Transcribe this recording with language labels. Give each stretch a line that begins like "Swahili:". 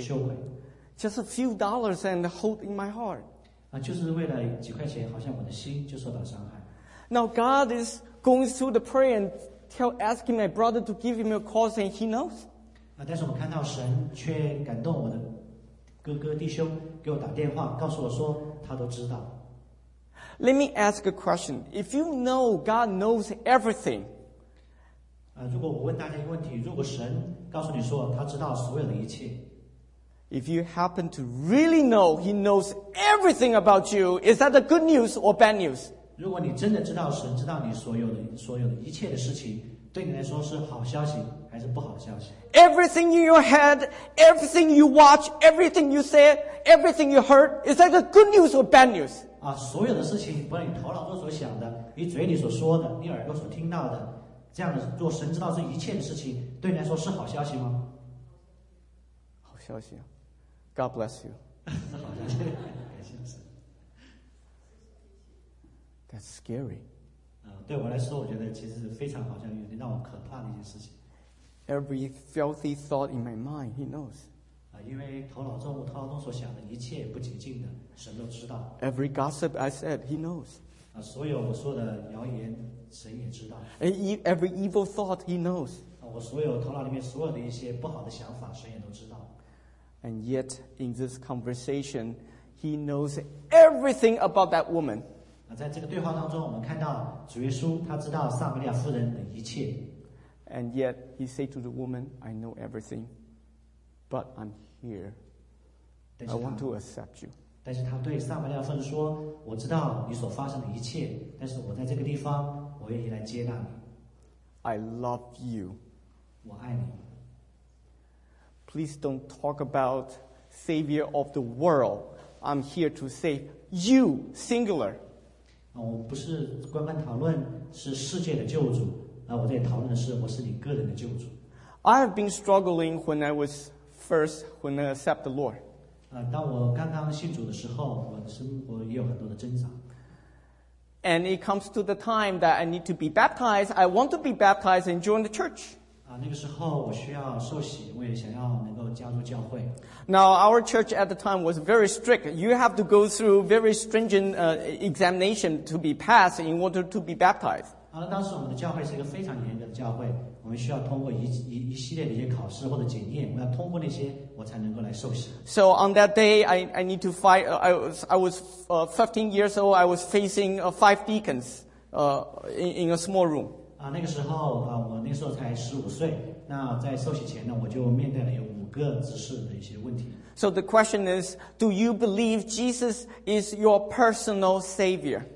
English: Just a few dollars and hold in my heart.
Chinese: 就是为了几块钱，好像我的心就受到伤害。
English: Now God is going through the prayer and asking my brother to give him a call, and he knows.
Chinese: 但是我看到神却感动我的哥哥弟兄给我打电话，告诉我说他都知道。
English: Let me ask a question. If you know God knows everything,
Chinese: 如果我问大家一个问题，如果神告诉你说他知道所有的一切
English: ，If you happen to really know He knows everything about you, is that a good news or bad news?
Chinese: 如果你真的知道神知道你所有的一切的事情，对你来说是好消息还是不好的消息
English: ？Everything in your head, everything you watch, everything you said, everything you heard, is that a good news or bad news?
Chinese: 所有的事情，不论你头脑中所想的，你嘴里所说的，你耳朵所听到的，这样的，若神知道这一切的事情，对你来说是好消息吗？好消息啊
English: ！God bless you。
Chinese: 好消息，感谢神。
English: That's scary。
Chinese: 对我来说，我觉得其实是非常好像有点让我可怕的一件事情。
English: Every filthy thought in my mind, He knows。
Chinese: 因为头脑中所想的一切不洁净的。神都知道。
English: Every gossip I said, He knows.
Chinese: 所有我说的谣言，神也知道。
English: Every evil thought, He knows.
Chinese: 我所有头脑里面所有的一些不好的想法，神也都知道。
English: And yet, in this conversation, he knows everything about that woman.
Chinese: 在这个对话当中，我们看到主耶稣他知道撒玛利亚妇人的一切。
English: And yet, he said to the woman, "I know everything, but I'm here. I want to accept you."
Chinese: 但是他对撒玛利亚妇人说，我知道你所发生的一切，但是我在这个地方，我愿意来接纳你。
English: I love you.
Chinese: 我爱你。
English: Please don't talk about savior of the world. I'm here to save you, singular.
Chinese: 我不是官方讨论是世界的救主，我在讨论的是我是你个人的救主。
English: I have been struggling when I was first when I accept the Lord.
Chinese: 当我刚刚信主的时候，我也有很多的挣扎。
English: And it comes to the time that I need to be baptized. I want to be baptized and join the church.
Chinese: 那个时候我需要受洗，我也想要能够加入教会。
English: Now, our church at the time was very strict. You have to go through very stringent examination to be passed in order to be baptized.
Chinese: 当时我们的教会是一个非常严格的教会，我们需要通过 一系列的一些考试或者检验，我要通过那些我才能够来受洗。
English: So on that day, I need to fight, I was 15 years old, I was facing five deacons in a small room.
Chinese: 那个时候我那个时候才15岁，那在受洗前呢，我就面对了有五个执事的一些问题。
English: So the question is, do you believe Jesus is your personal savior?